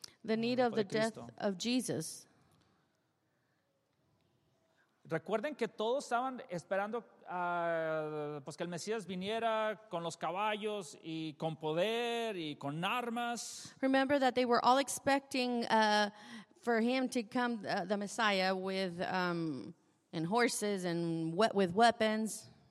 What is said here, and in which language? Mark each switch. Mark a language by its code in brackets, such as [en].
[en] The need of the death of Jesus. [es] Recuerden que todos estaban esperando pues que el Mesías viniera con los caballos y con poder y con armas. [en] Remember that they were all expecting for him to come the Messiah with and horses and with weapons.